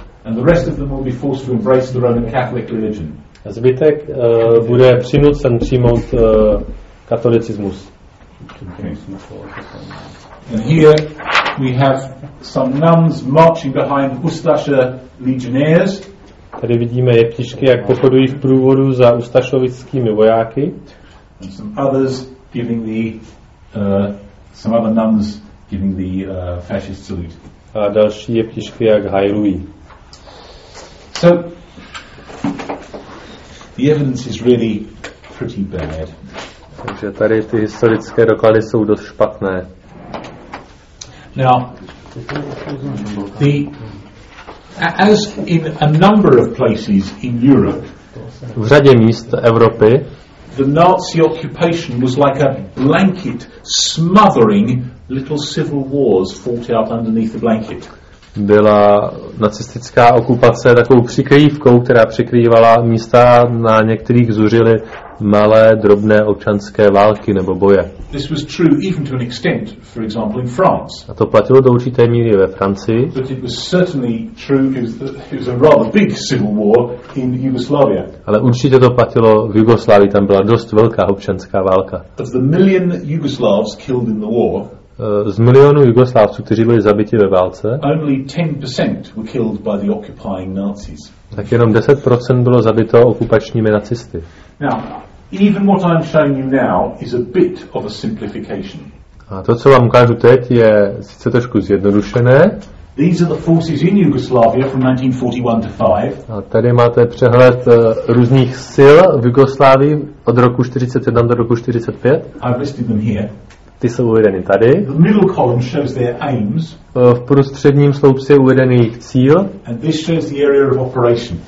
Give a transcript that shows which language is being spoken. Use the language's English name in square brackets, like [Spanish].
[English] And the rest of them will be forced to embrace the Roman Catholic religion. [Czech] A zbytek bude přinucen přijmout katolicismus. [English] And here we have some nuns marching behind Ustaše legionnaires. [Czech] Tady vidíme jeptišky, jak pochodují v průvodu za ustašovickými vojáky. [English] And some others giving the some other nuns giving the fascist salute. [Czech] A další jeptišky, jak hajlují. [English] So the evidence is really pretty bad. [Czech] Takže tady ty historické doklady jsou dost špatné. [English] Now, the as in a number of places in Europe, [Czech] v řadě míst Evropy, [English] the Nazi occupation was like a blanket smothering little civil wars fought out underneath the blanket. [Czech] Byla nacistická okupace takovou přikrývkou, která přikrývala místa, na některých zuřily malé, drobné občanské války nebo boje. [English] This was true even to an extent, for example, in France. [Czech] A to platilo do určité míry ve Francii. [English] But it was certainly true, it was a rather big civil war in Yugoslavia. [Czech] Ale určitě to platilo v Jugoslávii, tam byla dost velká občanská válka. [English] Of the million Yugoslavs killed in the war, [Czech] z milionů Jugoslávců, kteří byli zabiti ve válce, [English] only 10% were killed by the occupying Nazis. [Czech] Tak jenom 10% bylo zabito okupačními nacisty. [English] Now, even what I'm showing you now is a bit of a simplification. [Czech] A to, co vám ukážu teď, je sice trošku zjednodušené. [English] These are the forces in Yugoslavia from 1941 to 5. [Czech] A tady máte přehled různých sil v Jugoslávii od roku 41 do roku 45. [English] I've listed them here. [Czech] Ty jsou uvedeny tady. [English] The middle column shows their aims. [Czech] V prostředním sloupci je uvedený jejich cíl. [English] And this shows the area of operation.